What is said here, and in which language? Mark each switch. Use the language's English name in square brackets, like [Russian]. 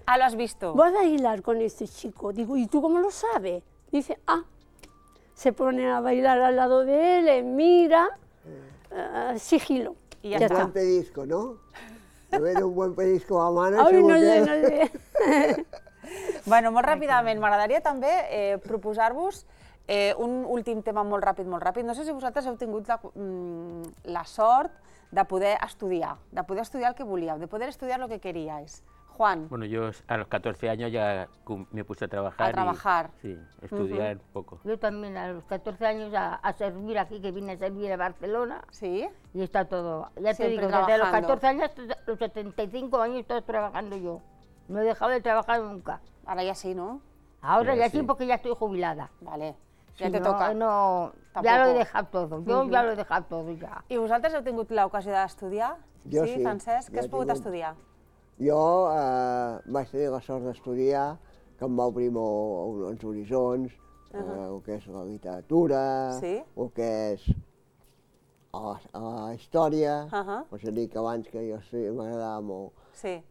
[Spanish] Ah, lo has visto. Voy a bailar con este chico. Digo, ¿y tú cómo lo sabes? Dice, ah, se pone a bailar al lado de él, le mira... sigilo. Y ya un está. Buen pedisco, ¿no? Debería un buen pedisco a mano. Ay, no, no, no. [Catalan] Bueno, molt ràpidament, m'agradaria també proposar-vos un últim tema molt ràpid, molt ràpid. No sé si vosaltres heu tingut la, la sort de poder estudiar, el que volíeu, [Spanish] de poder estudiar lo que queríais. Juan. Bueno, yo a los 14 años ya me puse a trabajar. A trabajar. Y, sí, estudiar poco. Yo también a los 14 años a servir aquí, que vine a servir a Barcelona. Sí. Y está todo. Ya siempre te digo, trabajando. Desde los 14 años, los 75 años, todo trabajando yo. No he dejado de trabajar nunca. Ahora ya sí, ¿no? Ahora ya, sí, porque ya estoy jubilada. Vale. Ya si te no, toca. No, ya lo he dejado todo. Yo ya lo he dejado todo ya. ¿Y vosotros habéis tenido la ocasión de estudiar? Yo sí, Francesc. ¿Qué has podido estudiar? [Catalan] Jo vaig tenir la sort d'estudiar, que em va obrir molt els horitzons, el que és la literatura, sí. El que és la història, és a dir, que abans que jo sí, m'agradava molt sí.